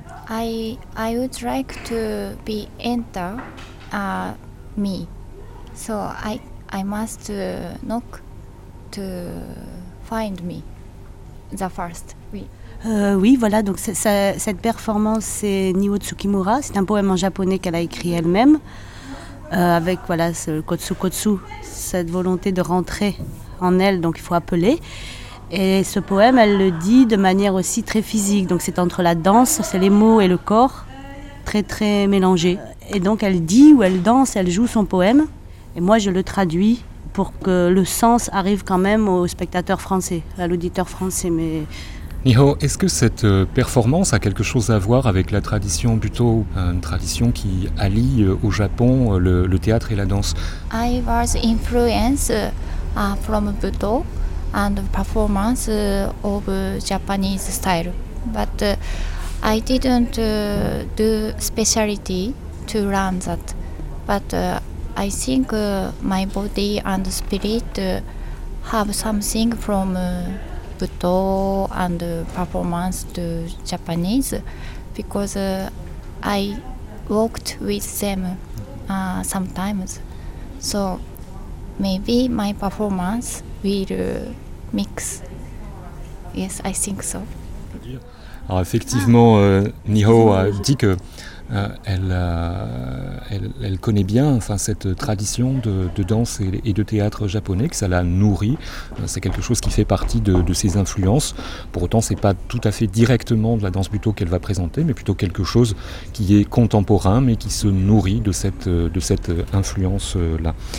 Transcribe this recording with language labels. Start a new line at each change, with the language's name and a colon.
English: I would like to be enter me, so I must knock to find me the first.
French: Oui. Oui, voilà, donc cette performance, c'est Niho Tsukimura, c'est un poème en japonais qu'elle a écrit elle-même, avec voilà, ce kotsu kotsu, cette volonté de rentrer en elle, donc il faut appeler. Et ce poème, elle le dit de manière aussi très physique, donc c'est entre la danse, c'est les mots et le corps, très très mélangés. Et donc elle dit ou elle danse, elle joue son poème, et moi je le traduis pour que le sens arrive quand même au spectateur français, à l'auditeur français, mais... Niho, est-ce que cette performance a quelque chose à voir avec la tradition buto, une tradition qui allie au Japon le théâtre et la danse?
English: I was influenced from buto and performance of Japanese style, but I didn't do specialty to learn that. But I think my body and spirit have something from Buto and performance to Japanese, because I worked with them sometimes, so maybe my performance will mix. Yes, I think so.
French: Alors effectivement, Niho a dit que elle connaît bien enfin, cette tradition de danse et de théâtre japonais, que ça la nourrit, c'est quelque chose qui fait partie de ses influences. Pour autant, c'est pas tout à fait directement de la danse buto qu'elle va présenter, mais plutôt quelque chose qui est contemporain mais qui se nourrit de cette influence-là.